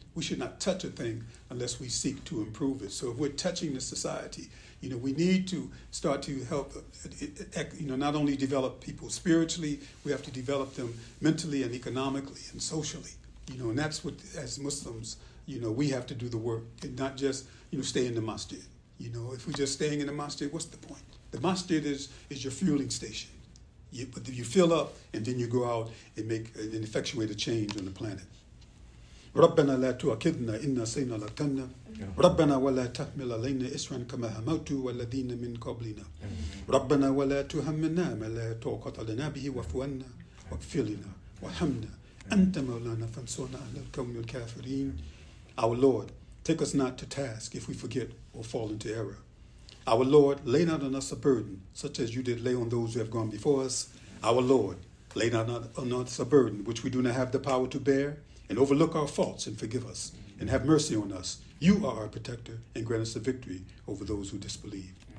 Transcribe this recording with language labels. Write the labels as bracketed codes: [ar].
[en] We should not touch a thing unless we seek to improve it. So if we're touching the society, you know, we need to start to help, you know, not only develop people spiritually, we have to develop them mentally and economically and socially, you know, and that's what, as Muslims, you know, we have to do the work and not just, you know, stay in the masjid. You know, if we're just staying in the masjid, what's the point? The masjid is your fueling station. But you fill up and then you go out and make and effectuate a change on the planet. [ar] ربنا لا تؤاخذنا إن نسينا أو أخطأنا ربنا ولا تحمل علينا إصرا كما حملته والذين من قبلنا ربنا ولا تهمنا ما لا طاقة لنا به واعف عنا واغفر لنا وارحمنا أنت مولانا فانصرنا على القوم الكافرين. [en] Our Lord, take us not to task if we forget or fall into error. Our Lord, lay not on us a burden such as you did lay on those who have gone before us. Our Lord, lay not on us a burden which we do not have the power to bear. And overlook our faults and forgive us and have mercy on us. You are our protector and grant us the victory over those who disbelieve.